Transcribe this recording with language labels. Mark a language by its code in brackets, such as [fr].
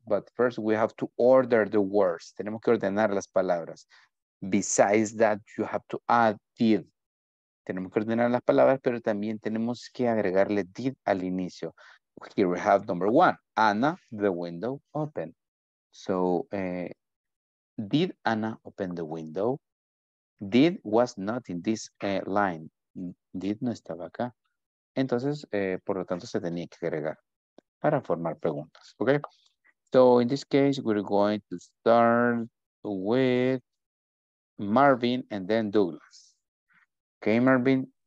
[en] But first, we have to order the words. [es] Tenemos que ordenar las palabras. [en] Besides that, you have to add did. [es] Tenemos que ordenar las palabras, pero también tenemos que agregarle did al inicio. [en] Here we have number one. Anna, the window open. So, did Anna open the window? Did was not in this line. [es] Did no estaba acá. Entonces, por lo tanto, se tenía que agregar para formar preguntas. [en] Okay. So in this case, we're going to start with Marvin and then Douglas. Okay, Marvin,